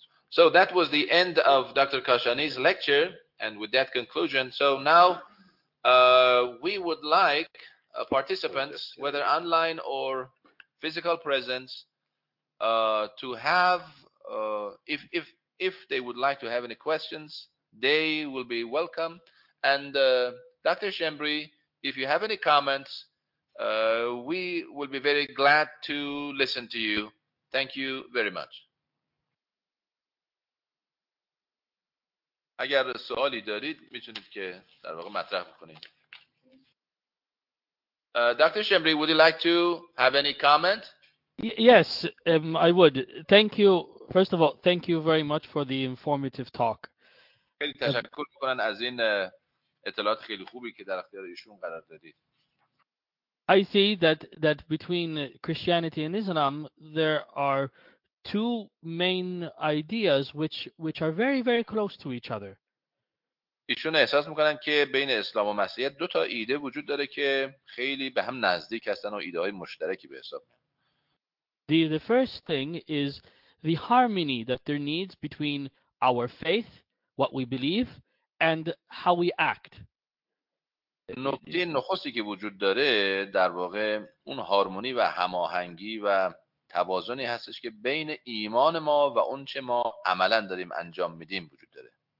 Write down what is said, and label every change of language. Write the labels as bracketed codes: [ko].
[en] So that was the end of Dr. Kashani's lecture, and with that conclusion, so now we would like participants, whether online or physical presence, to have, if they would like to have any questions, they will be welcome. And Dr. Shembri, if you have any comments, we will be very glad to listen to you. Thank you very much. [fa] اگر سوالی دارید میتونید که در واقع مطرح بکنید. [en] Dr. Shembri, would you like to have any comment? Yes, I would. Thank you. First of all, thank you very much for the informative talk. [fa] خیلی تشکر می‌کنم از این اطلاعات خیلی خوبی که در اختیار ایشون قرار دادید. [en] I see that between Christianity and Islam there are two main ideas which are very very close to each other. [fa] ایشون احساس میکنن که بین اسلام و مسیحیت دو تا ایده وجود داره که خیلی به هم نزدیک هستن و ایده های مشترکی به حساب میان. [en] The first thing is the harmony that there needs between our faith, what we believe, and how we act. [fa] نکته نخستی که وجود داره در واقع اون هارمونی و هماهنگی و توازنی هستش که بین ایمان ما و اون چه ما عملا داریم انجام میدیم وجود داره.